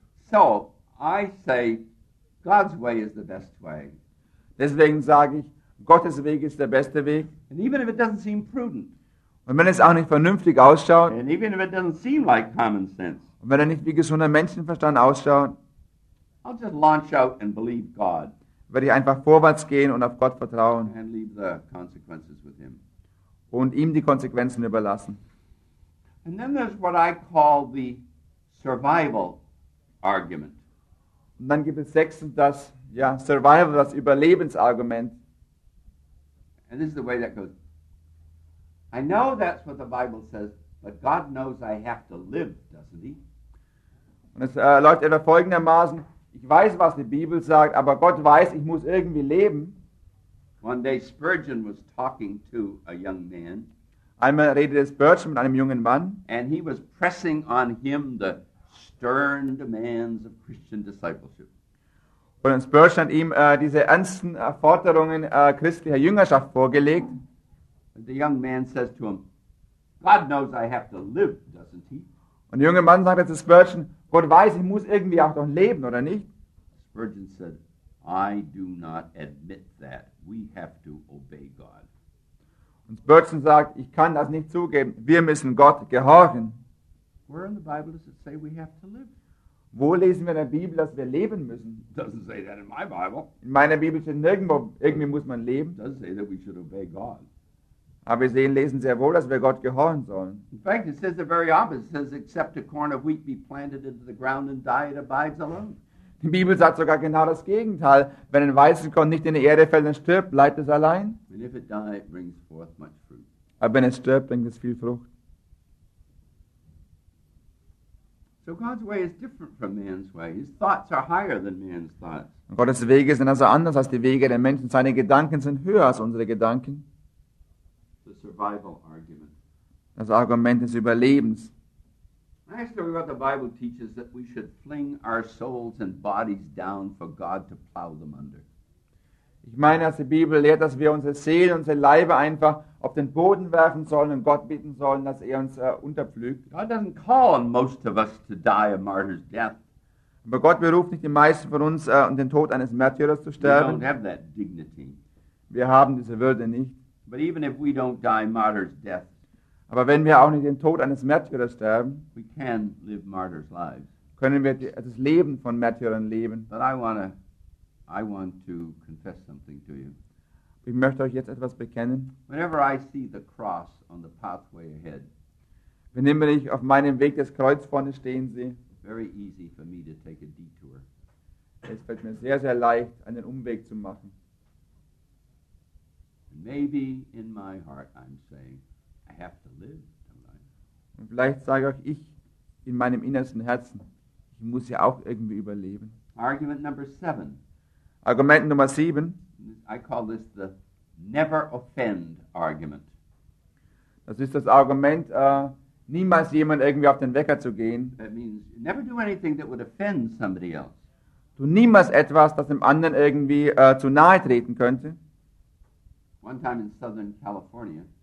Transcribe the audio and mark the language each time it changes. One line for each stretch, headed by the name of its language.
English: So, I say, God's way is the best way.
German: Deswegen sage ich, Gottes Weg ist der beste Weg.
English: And even if it doesn't seem prudent.
German: Und wenn es auch nicht vernünftig ausschaut.
English: And even if it doesn't seem like common sense.
German: Und wenn er nicht wie gesunder Menschenverstand ausschaut.
English: I'll just launch out and believe God.
German: Werde ich einfach vorwärts gehen und auf Gott vertrauen.
English: And leave the consequences with him.
German: Und ihm die Konsequenzen überlassen.
English: And then there's what I call the survival argument.
German: Und dann gibt es sechstens das, ja, Survival, das Überlebensargument.
English: And this is the way that goes. I know that's what the Bible says, but God knows I have to live, doesn't he?
German: Und es läuft etwa folgendermaßen. Ich weiß, was die Bibel sagt, aber Gott weiß, ich muss irgendwie leben.
English: One day Spurgeon was talking to a young man.
German: Einmal redete Spurgeon mit einem jungen Mann.
English: And he was pressing on him the stern demands of Christian discipleship.
German: Und Spurgeon hat ihm diese ernsten Forderungen christlicher Jüngerschaft vorgelegt.
English: The young man says to him, God knows I have to live, doesn't he?
German: Und der junge Mann sagt zu Spurgeon, Gott weiß, ich muss irgendwie auch noch leben, oder nicht?
English: Spurgeon said, I do not admit that. We have to obey God.
German: Und Spurgeon sagt, ich kann das nicht zugeben. Wir müssen Gott gehorchen.
English: Where in the Bible does it say we have to live?
German: Wo lesen wir in der Bibel, dass wir leben müssen?
English: Doesn't say that in my Bible.
German: In meiner Bibel steht nirgendwo, irgendwie muss man leben.
English: Doesn't say that we should obey God.
German: Aber wir sehen, lesen sehr wohl, dass wir Gott gehorchen sollen.
English: In fact, it says the very opposite. It says, except a corn of wheat be planted into the ground and die, it abides alone.
German: Die Bibel sagt sogar genau das Gegenteil. Wenn ein Weizenkorn nicht in die Erde fällt und stirbt, bleibt es allein.
English: And if it die, it brings forth much fruit.
German: Aber wenn es stirbt, bringt es viel Frucht.
English: So God's way is different from man's way. His thoughts are higher than man's thoughts.
German: Und Gottes Wege sind also anders als die Wege der Menschen. Seine Gedanken sind höher als unsere Gedanken.
English: The survival argument.
German: Das Argument des Überlebens.
English: Actually, what the Bible teaches that we should fling our souls and bodies down for God to plow them under.
German: Ich meine, dass die Bibel lehrt, dass wir unsere Seele, unsere Leibe einfach auf den Boden werfen sollen und Gott bitten sollen, dass er uns unterpflügt.
English: God doesn't call on most of us to die a martyr's death.
German: Aber Gott beruft nicht die meisten von uns, um den Tod eines Märtyrers zu sterben.
English: We don't have that dignity.
German: Wir haben diese Würde nicht.
English: But even if we don't die a martyr's death,
German: aber wenn wir auch nicht den Tod eines Märtyrers sterben,
English: we can live martyrs' lives.
German: Können wir das Leben von Märtyrern leben.
English: But I want to confess something to you.
German: Ich möchte euch jetzt etwas bekennen.
English: Whenever I see the cross on the pathway ahead,
German: wenn immer ich auf meinem Weg das Kreuz vorne stehen sehe,
English: very easy for me to take a detour.
German: Es fällt mir sehr, sehr leicht, einen Umweg zu machen.
English: Maybe in my heart I'm saying, I have to live.
German: Und vielleicht sage auch ich in meinem innersten Herzen, ich muss ja auch irgendwie überleben.
English: Argument number 7.
German: Argument Nummer 7.
English: I call this the never offend argument.
German: Das ist das Argument, niemals jemand irgendwie auf den Wecker zu gehen.
English: That means never do anything that would offend somebody else.
German: Tu niemals etwas, das dem anderen irgendwie zu nahe treten könnte.
English: One time in Southern California.